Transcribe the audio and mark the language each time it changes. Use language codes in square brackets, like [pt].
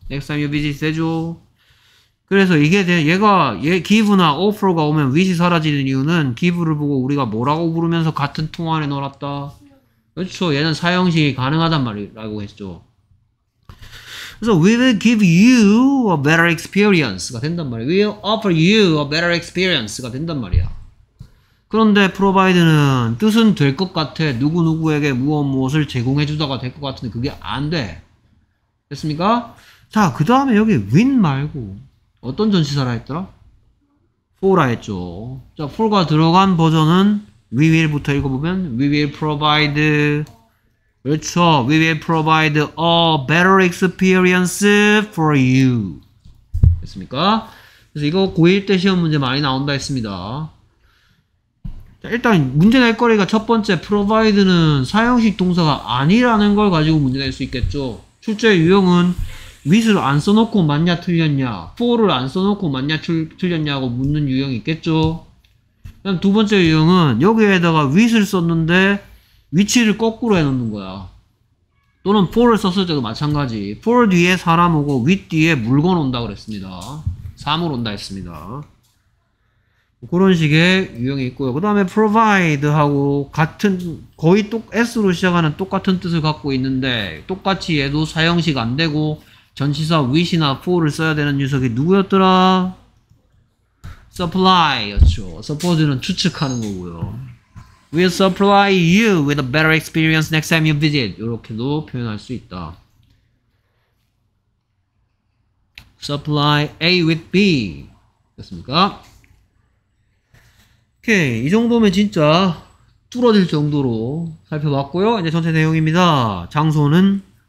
[en] next time you visit [ko] 되죠. 그래서 이게 얘가 얘 give나 offer가 오면 which이 사라지는 이유는 give를 보고 우리가 뭐라고 부르면서 같은 통 안에 넣어놨다. 그렇죠. 얘는 사용식이 가능하단 말이라고 했죠. 그래서 [en] we will give you a better experience [ko] 가 된단 말이야. [en] we will offer you a better experience [ko] 가 된단 말이야. 그런데 provide는 뜻은 될 것 같아. 누구누구에게 무엇무엇을 제공해주다가 될 것 같은데 그게 안 돼. 됐습니까? 자, 그 다음에 여기 win 말고 어떤 전치사라 했더라? for라 했죠. 자, for가 들어간 버전은 we will부터 읽어보면 [en] we will provide [ko] 그렇죠. [en] we will provide a better experience for you. [ko] 됐습니까? 그래서 이거 고1 때 시험 문제 많이 나온다 했습니다. 자, 일단 문제 낼 거리가 첫 번째 provide는 사용식 동사가 아니라는 걸 가지고 문제 낼 수 있겠죠. 출제 유형은 with를 안 써놓고 맞냐 틀렸냐 for를 안 써놓고 맞냐 틀렸냐고 묻는 유형이 있겠죠. 그다음 두 번째 유형은 여기에다가 with를 썼는데 위치를 거꾸로 해놓는 거야. 또는 for를 썼을 때도 마찬가지. for 뒤에 사람 오고 with 뒤에 물건 온다 그랬습니다. 사물 온다 했습니다. 그런 식의 유형이 있고요. 그 다음에 provide 하고 같은 거의 s로 시작하는 똑같은 뜻을 갖고 있는데 똑같이 얘도 사용식 안 되고 전치사 with이나 for를 써야 되는 유형이 누구였더라? supply였죠. suppose는 추측하는 거고요. [en] We'll supply you with a better experience next time you visit. [ko] 이렇게도 표현할 수 있다. [en] Supply A with B. [ko] 됐습니까? 오케이. 이 정도면 진짜 뚫어질 정도로 살펴봤고요. 이제 전체 내용입니다. 장소는?